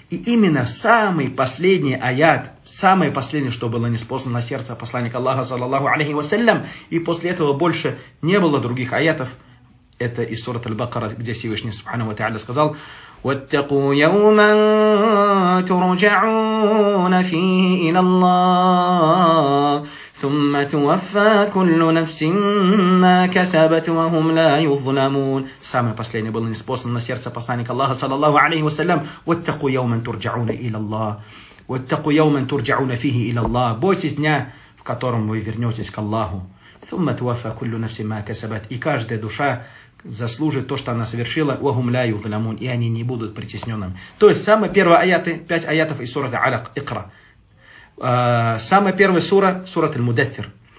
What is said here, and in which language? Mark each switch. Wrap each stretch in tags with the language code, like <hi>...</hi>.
<ru>И именно самый последний аят, самое последнее, что было неспослано на сердце посланника Аллаха, саллаллаху алейхи ва саллям, и после этого больше не было других аятов, это из сурата Аль-Бакара, где Всевышний, субхану ва тааля, сказал,</ru> <ar>واتقوا يوما ترجعون فيه إلى الله ثم توفى كل نفس ما كسبت وهم لا يظلمون.</ar> <ru>Самое последнее было неспослано на сердце посланника Аллаха, саллаллаху алейхи ва саллям.</ru> <ar>واتقوا يوما ترجعون إلى الله. واتقوا يوما ترجعون فيه إلى الله.</ar> <ru>Бойтесь дня, в котором вы вернетесь к Аллаху.</ru> <ar>ثم توفى كل نفس ما كسبت.</ar> <ru>И каждая душа заслужит то, что она совершила,</ru> <ar>«Вахумляю вламун»,</ar> <ru>и они не будут притесненными. То есть, самые первые аяты, пять аятов из сурата Алак, Икра. Самая первая сура, сурат Аль-Мудаффир.</ru>